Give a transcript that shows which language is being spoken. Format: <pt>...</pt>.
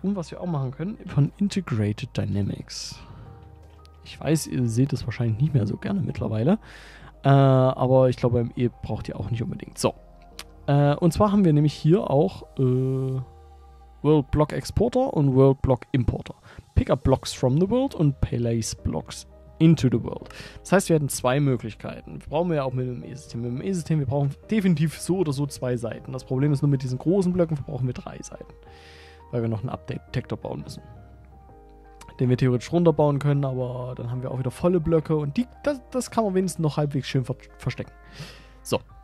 <de>Und was wir auch machen können, von Integrated Dynamics. Ich weiß, ihr seht das wahrscheinlich nicht mehr so gerne mittlerweile. Aber ich glaube, ME braucht ihr auch nicht unbedingt. So. Und zwar haben wir nämlich hier auch World Block Exporter und World Block Importer.</de> <en>Pick up blocks from the world und place blocks into the world.</en> <de>Das heißt, wir hätten zwei Möglichkeiten. Brauchen wir ja auch mit dem E-System. Mit dem E-System, wir brauchen definitiv so oder so zwei Seiten. Das Problem ist nur, mit diesen großen Blöcken brauchen wir drei Seiten. Weil wir noch einen Update-Detector bauen müssen. Den wir theoretisch runterbauen können, aber dann haben wir auch wieder volle Blöcke und die, das kann man wenigstens noch halbwegs schön verstecken. So.</de>